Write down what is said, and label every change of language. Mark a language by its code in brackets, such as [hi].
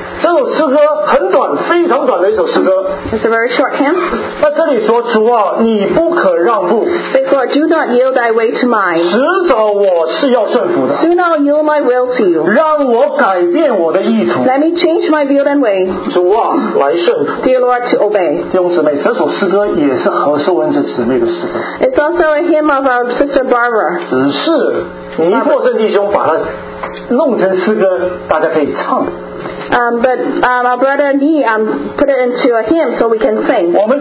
[zh] 这首诗歌很短，非常短的一首诗歌。 [en] It's a very short hymn. [zh] 那这里说，主啊，你不可让步。 [en] Say, Lord, do not yield thy way to mine. [zh] 迟早我是要顺服的。 [en] Do not yield my will to you. [zh] 让我改变我的意图。 [en] Let me change my will and way. [zh] 主啊，来顺服。 [en] Dear Lord, to obey. [zh] 弟兄姊妹，这首诗歌也是何淑文姊妹的诗歌。 [en] It's also a hymn of our sister Barbara. [zh] 只是尼珀森弟兄把它弄成诗歌，大家可以唱。 [en] But our brother and he put it into a hymn so we can sing.